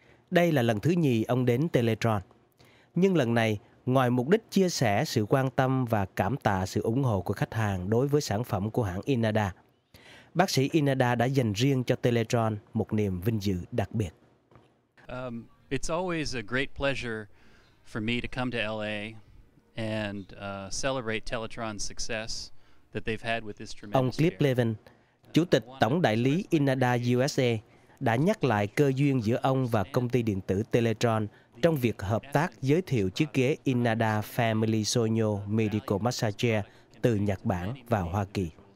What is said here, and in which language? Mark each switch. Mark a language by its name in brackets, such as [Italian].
[Vietnamese] Đây là lần thứ nhì ông đến Teletron. Nhưng lần này, ngoài mục đích chia sẻ sự quan tâm và cảm tạ sự ủng hộ của khách hàng đối với sản phẩm của hãng Inada, bác sĩ Inada đã dành riêng cho Teletron một niềm vinh dự đặc biệt. [English] It's always a great pleasure for me to come to LA and celebrate Teletron's success that they've had with this tremendous. [Vietnamese] Ông Cliff Levin, chủ tịch tổng đại lý Inada USA, đã nhắc lại cơ duyên giữa ông và công ty điện tử Teletron trong việc hợp tác giới thiệu chiếc ghế Inada Family Sonyo Medical Massage Chair từ Nhật Bản vào Hoa Kỳ.